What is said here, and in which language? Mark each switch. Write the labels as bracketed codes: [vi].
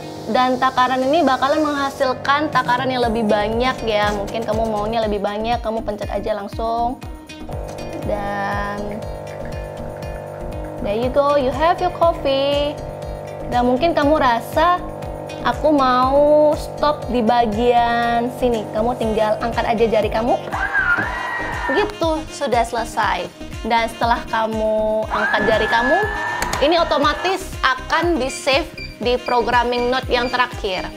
[id] Dan takaran ini bakalan menghasilkan takaran yang lebih banyak ya. Mungkin kamu maunya lebih banyak, kamu pencet aja langsung. [en] Dan there you go, you have your coffee. [id] Dan mungkin kamu rasa aku mau stop di bagian sini, kamu tinggal angkat aja jari kamu. Gitu, sudah selesai. Dan setelah kamu angkat jari kamu, ini otomatis akan di-save di programming note yang terakhir.